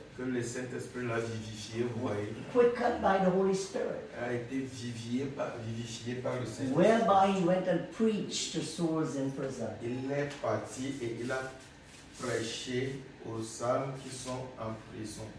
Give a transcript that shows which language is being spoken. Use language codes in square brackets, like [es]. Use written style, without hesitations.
[fr] que le Saint-Esprit l'a vivifié, vous voyez, [en] quickened by the Holy Spirit, [fr] a été vivifié par le Saint-Esprit, [en] whereby he went and preached to souls in prison. [fr] Il est parti et il a prêché aux âmes qui sont en prison.